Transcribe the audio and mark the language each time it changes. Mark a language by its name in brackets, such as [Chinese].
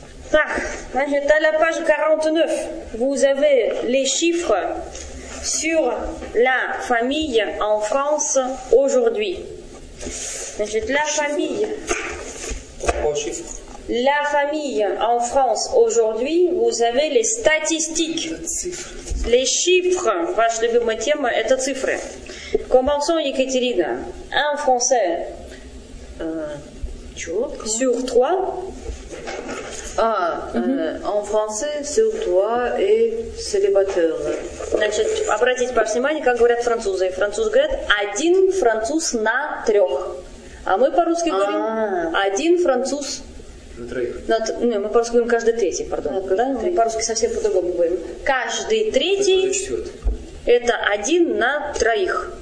[Russian] Так, значит, [French] à la page 49, vous avez les chiffres sur la famille en France aujourd'hui. [Russian] Значит, [French] la famille. Trois chiffres. La famille en France aujourd'hui, vous avez les statistiques. Les chiffres. [Russian] Ваш любимый тема – это цифры. [French] Commençons, [Russian] Екатерина. [French] Un Français. Sur trois. En français, sur toi et célibataire. [Russian] Значит, обратите ваше внимание, как говорят французы. Французы говорят один француз на трех. А мы по-русски говорим один француз на троих. Нет, мы по-русски говорим каждый третий, пардон. Да? Мы по-русски совсем по-другому говорим. Каждый третий. Это один на троих.